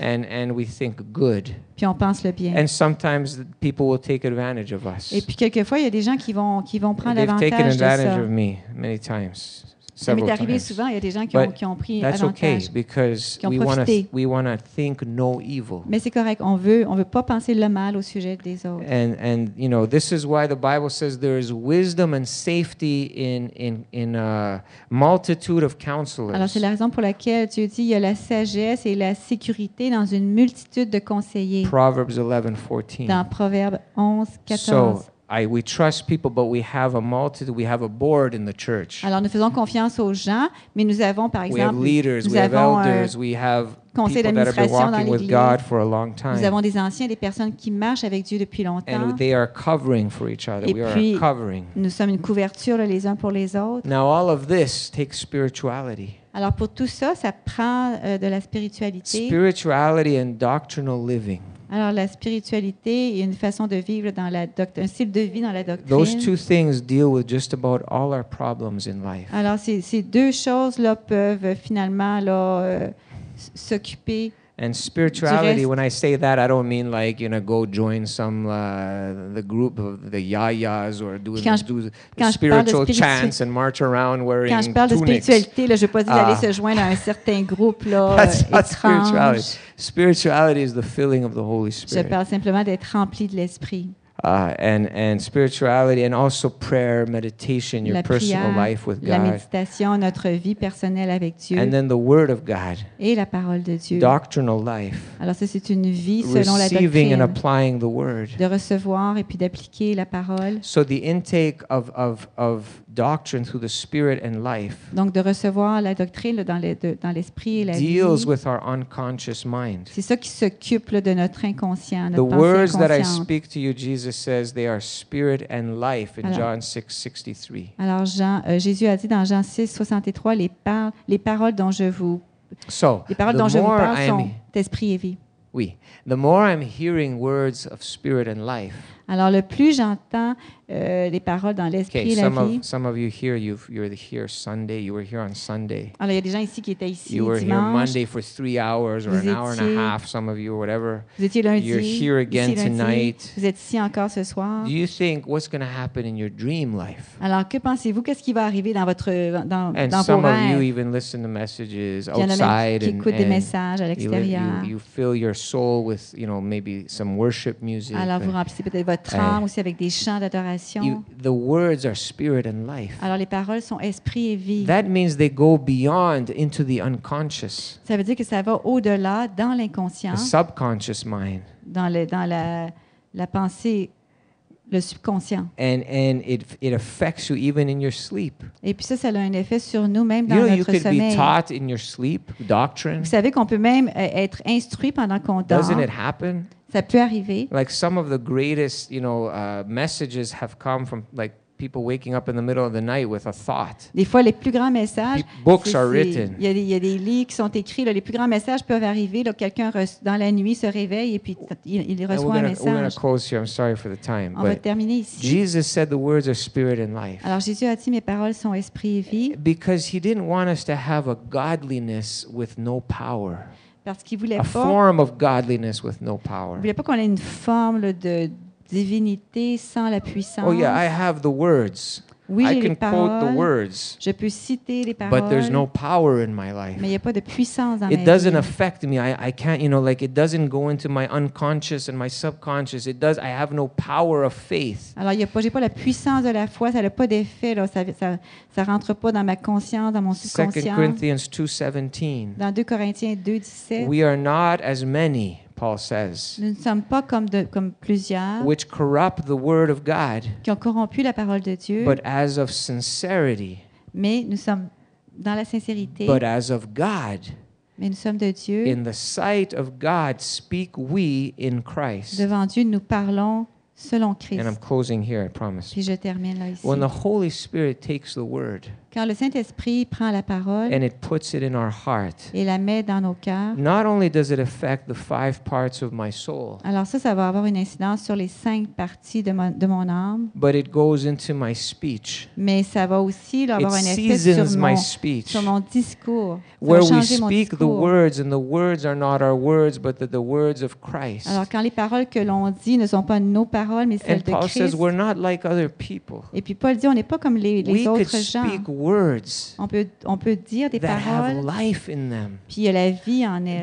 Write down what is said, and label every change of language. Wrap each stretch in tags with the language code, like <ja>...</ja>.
<en>And we think good.</en> <fr>Puis on pense le bien.</fr> <en>And sometimes people will take advantage of us.</en> <fr>Et puis quelquefois, il y a des gens qui vont prendre</fr> <en>They've</en> <fr>avantage</fr> <en>taken advantage</en> <fr>de ça.</fr> <en>Of me many times.</en> <fr>Ça m'est arrivé souvent, il y a des gens qui ont pris</fr> <en>that's</en> <fr>avantage,</fr> <en>okay, because</en> <fr>qui ont profité.</fr> <en>We wanna think no evil.</en> <fr>Mais c'est correct, on veut pas penser le mal au sujet des autres.</fr> <en>And you know, this is why the Bible says there is wisdom and safety in a multitude of counselors.</en> <fr>Alors c'est la raison pour laquelle Dieu dit il y a la sagesse et la sécurité dans une multitude de conseillers.</fr> <en>Proverbs 11:14.</en> <fr>Dans Proverbes 11:14.</fr> <en>So, we trust people, but we have a multitude. We have a board in the church.</en> <fr>Alors, nous faisons confiance aux gens, mais nous avons, par exemple,</fr> <en>we have leaders, we have elders, we have people that have been walking with God for a long time.</en> <fr>Nous avons des anciens, des personnes qui marchent avec Dieu depuis longtemps.</fr> <en>And they are covering for each other.</en> <fr>Et puis,</fr> <en>we are covering.</en> <fr>Nous sommes une couverture les uns pour les autres.</fr> <en>Now, all of this takes spirituality.</en> <fr>Alors, pour tout ça, ça prend de la spiritualité.</fr> <en>Spirituality and doctrinal living.</en> <fr>Alors, la spiritualité et une façon de vivre dans la doctrine, un style de vie dans la doctrine.</fr> <en>Those two things deal with just about all our problems in life.</en> <fr>Alors, ces deux choses-là peuvent finalement là, s'occuper.</fr> <en>And spirituality, when I say that, I don't mean like, you know, go join some the group of the yayas or do spiritual chants and march around wearing tunics.</en> <fr>Quand je parle</fr> <en>tunics.</en> <fr>De spiritualité, là, je ne veux pas dire d'aller se joindre à un certain groupe là,</fr> <en>that's</en> <fr>étrange.</fr> <en>Spirituality. Spirituality is the filling of the Holy Spirit.</en> <fr>Je parle simplement d'être rempli de l'Esprit.</fr> <en>And spirituality and also prayer, meditation, your</en> <fr>prière,</fr> <en>personal life with God.</en> <fr>La méditation, notre vie personnelle avec Dieu.</fr> <en>And then the Word of God.</en> <fr>Et la parole de Dieu.</fr> <en>Doctrinal life.</en> <fr>Alors ça, c'est une vie selon</fr> <en>Receiving</en> <fr>la doctrine.</fr> <en>And applying the Word.</en> <fr>De recevoir et puis d'appliquer la parole.</fr> <en>So the intake of doctrine through the Spirit and life.</en> <fr>Donc de recevoir la doctrine dans l'esprit et la</fr> <en>deals</en> <fr>vie.</fr> <en>Deals with our unconscious mind.</en> <fr>C'est ça qui s'occupe là, de notre inconscient, notre</fr> <en>the</en> <fr>pensée inconsciente.</fr> <en>The words that I speak to you, Jesus says they are spirit and life in John 6:63.</en> <fr>Alors Jean, Jésus a dit dans Jean 6:63 les paroles dont je vous parle sont esprit et vie. Oui.</fr> <en>The more I'm hearing words of spirit and life.</en> <fr>Alors le plus j'entends les paroles dans l'esprit et la vie.</fr> <en>Some of you here, you're here Sunday. You were here on Sunday.</en> <fr>Alors il y a des gens ici qui étaient ici</fr> <en>you</en> <fr>dimanche.</fr> <en>You were here Monday for 3 hours or</en> <fr>vous</fr> <en>an</en> <fr>étiez,</fr> <en>hour and a half. Some of you, whatever.</en> <fr>Vous étiez lundi.</fr> <en>You're here again</en> <fr>ici, lundi,</fr> <en>tonight.</en> <fr>Vous êtes ici encore ce soir.</fr> <en>Do you think what's going to happen in your dream life?</en> <fr>Alors que pensez-vous qu'est-ce qui va arriver dans votre dans</fr> <en>and</en> <fr>dans</fr> <en>some</en> <fr>vos rêves?</fr> <en>Of you even listen to messages outside</en> <fr>qui</fr> <en>and</en> <fr>des messages à l'extérieur.</fr> <en>You fill your soul with, you know, maybe some worship music.</en> <fr>Alors vous remplissez peut-être votre âme aussi avec des chants d'adoration.</fr> <en>The words are spirit and life.</en> <fr>Alors les paroles sont esprit et vie.</fr> <en>That means they go beyond into the unconscious.</en> <fr>Ça veut dire que ça va au-delà dans l'inconscient.</fr> <en>The subconscious mind.</en> <fr>Dans la pensée, le subconscient.</fr> <en>And it affects you even in your sleep.</en> <fr>Et puis ça a un effet sur nous même dans</fr> <en>you know,</en> <fr>notre</fr> <en>you could</en> <fr>sommeil.</fr> <en>Be taught in your sleep doctrine.</en> <fr>Vous savez qu'on peut même être instruit pendant qu'on dort.</fr> <en>Doesn't it happen?</en> <fr>Ça peut arriver.</fr> <en>Like some of the greatest, you know, messages have come from like people waking up in the middle of the night with a thought.</en> <fr>Des fois, les plus grands messages.</fr> <en>Books are written.</en> <fr>Il y a des livres qui sont écrits. Là. Les plus grands messages peuvent arriver. Là, quelqu'un dans la nuit se réveille et puis il reçoit</fr> <en>gonna,</en> <fr>un message.</fr> <en>We're gonna close here. I'm sorry for the time.</en> <fr>On va terminer ici.</fr> <en>Jesus said the words are spirit and life.</en> <fr>Alors Jésus a dit mes paroles sont esprit et vie.</fr> <en>Because he didn't want us to have a godliness with no power.</en> <fr>Parce qu'il voulait</fr> <en>a</en> <fr>pas,</fr> <en>form of godliness with no power.</en> <fr>Il voulait pas qu'on ait une forme là, de divinité sans la puissance.</fr> <en>Oh yeah, I have the words.</en> <fr>Oui,</fr> <en>I can</en> <fr>paroles,</fr> <en>quote the words.</en> <fr>Je peux citer les paroles.</fr> <en>But there's no power in my life.</en> <fr>Mais il y a pas de puissance dans</fr> <en>it</en> <fr>ma vie.</fr> <en>It doesn't affect me. I can't, you know, like it doesn't go into my unconscious and my subconscious. It does. I have no power of faith.</en> <fr>Alors, j'ai pas la puissance de la foi. Ça n'a pas d'effet. Là. Ça rentre pas dans ma conscience, dans mon subconscient.</fr> <en>2 Corinthians 2:17.</en> <fr>Dans 2 Corinthiens 2:17.</fr> <en>We are not as many. Paul says,</en> <fr>nous ne sommes pas comme plusieurs</fr> <en>which corrupt the word of God,</en> <fr>qui ont corrompu la parole de Dieu,</fr> <en>but as of sincerity,</en> <fr>mais nous sommes dans la sincérité,</fr> <en>but as of God,</en> <fr>mais nous sommes de Dieu.</fr> <en>In the sight of God, speak we in Christ.</en> <fr>Devant Dieu, nous parlons selon Christ.</fr> <en>And I'm closing here, I promise.</en> <fr>Puis je termine là, ici.</fr> <en>When the Holy Spirit takes the word,</en> <fr>Quand le Saint-Esprit prend la parole</fr> <en>and it puts it in our heart,</en> <fr>et la met dans nos cœurs,</fr> <en>not only does it affect the five parts of my soul,</en> <fr>alors ça va avoir une incidence sur les cinq parties de mon âme,</fr> <en>but it goes into my speech.</en> <fr>Mais ça va aussi avoir un effet sur mon discours.</fr> <en>Where we speak the words, and the words are not our words, but the words of Christ.</en> <fr>Alors quand les paroles que l'on dit ne sont pas nos paroles, mais celles de Christ.</fr> <en>And Paul says we're not like other people.</en> <fr>Et puis Paul dit on n'est pas comme les autres gens.</fr> <en>Words</en> <fr>on peut dire des</fr> <en>that have life in them,</en> <fr>puis il y a la vie en elles</fr>